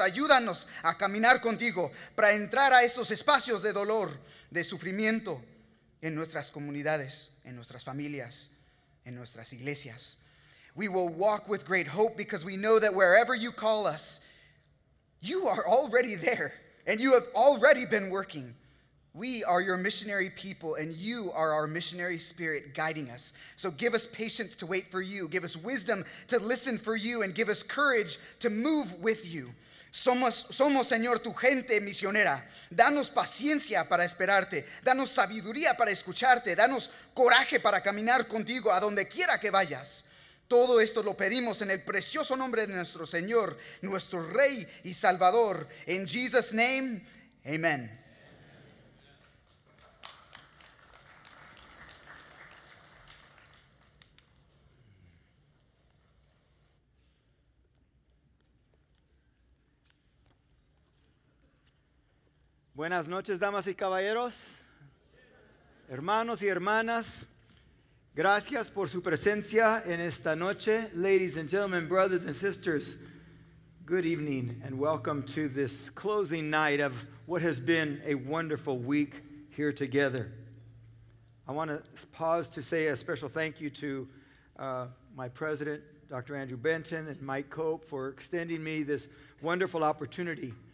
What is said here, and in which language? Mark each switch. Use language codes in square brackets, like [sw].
[es] Ayúdanos a caminar contigo para entrar a esos espacios de dolor, de sufrimiento en nuestras comunidades, en nuestras familias, en nuestras iglesias. [en] We will walk with great hope because we know that wherever you call us, you are already there and you have already been working. We are your missionary people, and you are our missionary spirit guiding us. So give us patience to wait for you. Give us wisdom to listen for you, and give us courage to move with you. [es] Somos, Señor, tu gente misionera. Danos paciencia para esperarte. Danos sabiduría para escucharte. Danos coraje para caminar contigo a donde quiera que vayas. Todo esto lo pedimos en el precioso nombre de nuestro Señor, nuestro Rey y Salvador. [en] In Jesus' name, amen. [es] Buenas noches, damas y caballeros, hermanos y hermanas. Gracias por su presencia en esta noche. [en] Ladies and gentlemen, brothers and sisters, good evening and welcome to this closing night of what has been a wonderful week here together. I want to pause to say a special thank you to my president, Dr. Andrew Benton, and Mike Cope for extending me this wonderful opportunity